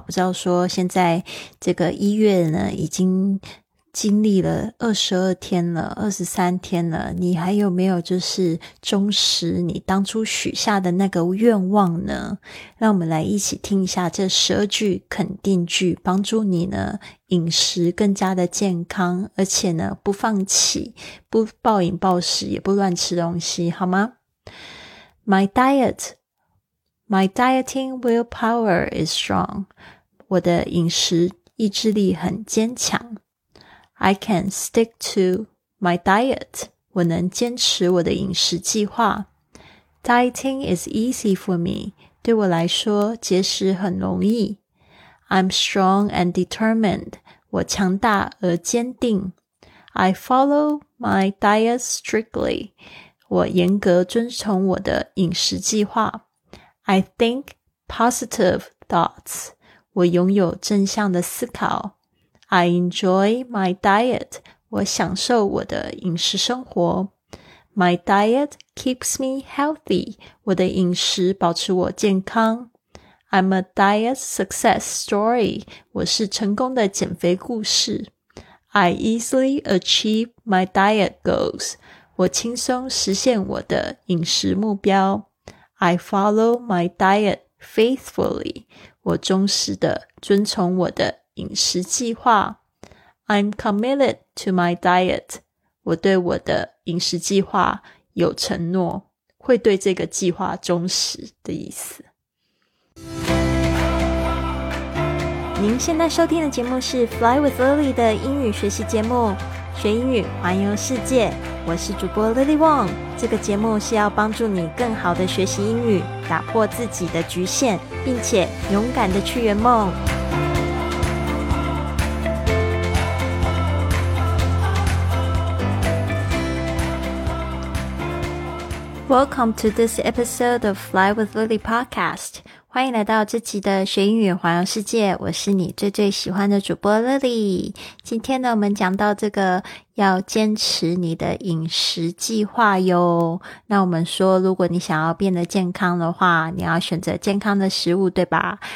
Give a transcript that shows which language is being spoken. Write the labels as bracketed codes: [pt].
[zh] 不知道说现在这个一月呢，已经经历了23天了，你还有没有就是忠实你当初许下的那个愿望呢？让我们来一起听一下这12句垦丁句，帮助你呢饮食更加的健康，而且呢不放弃，不暴饮暴食，也不乱吃东西，好吗？ [en] My dieting willpower is strong. [zh] 我的饮食意志力很坚强。 [en] I can stick to my diet. [zh] 我能坚持我的饮食计划。 [en] Dieting is easy for me. [zh] 对我来说，节食很容易。 [en] I'm strong and determined. [zh] 我强大而坚定。 [en] I follow my diet strictly. [zh] 我严格遵从我的饮食计划。 [en] I think positive thoughts. [zh] 我拥有正向的思考。 [en] I enjoy my diet. [zh] 我享受我的饮食生活。 [en] My diet keeps me healthy. [zh] 我的饮食保持我健康。 [en] I'm a diet success story. [zh] 我是成功的减肥故事。 [en] I easily achieve my diet goals. [zh] 我轻松实现我的饮食目标。 [en] I follow my diet faithfully. [zh] 我忠实地遵从我的饮食计划。 [en] I'm committed to my diet. [zh] 我对我的饮食计划有承诺，会对这个计划忠实的意思。您现在收听的节目是 Fly with Lily 的英语学习节目，学英语环游世界。我是主播 Lily Wong。这个节目是要帮助你更好的学习英语，打破自己的局限，并且勇敢的去圆梦。 [en] Welcome to this episode of Fly with Lily podcast. [zh] 欢迎来到这集的学英语环游世界，我是你最最喜欢的主播 Lily。今天呢，我们讲到这个要坚持你的饮食计划哟。那我们说，如果你想要变得健康的话，你要选择健康的食物，对吧？